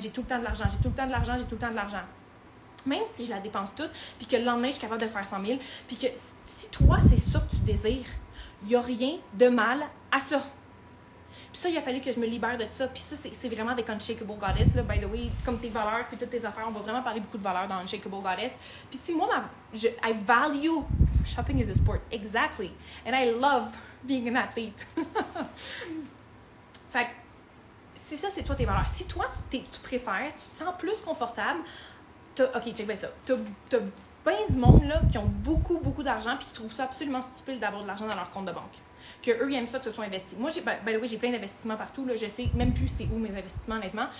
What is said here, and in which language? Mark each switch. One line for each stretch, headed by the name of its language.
French: J'ai tout le temps de l'argent. Même si je la dépense toute, puis que le lendemain, je suis capable de faire 100 000, puis que si toi, c'est ça que tu désires, il n'y a rien de mal à ça. Puis ça, il a fallu que je me libère de ça. Puis ça, c'est vraiment des Unshakeable Goddess, là,
English: by the way.
French: Comme tes valeurs, puis toutes tes affaires, on va vraiment parler beaucoup de valeurs dans Unshakeable Goddess. Puis si moi,
English: I value... Shopping is a sport. Exactly. And I love being an athlete.
French: Fait que, si ça, c'est toi tes valeurs. Si toi, tu préfères, tu te sens plus confortable... OK, check bien ça. T'as plein de monde là, qui ont beaucoup, beaucoup d'argent puis qui trouvent ça absolument stupide d'avoir de l'argent dans leur compte de banque. Que eux, ils aiment ça que ce soit investi. Moi, j'ai plein d'investissements partout. Là. Je sais même plus c'est où mes investissements, honnêtement.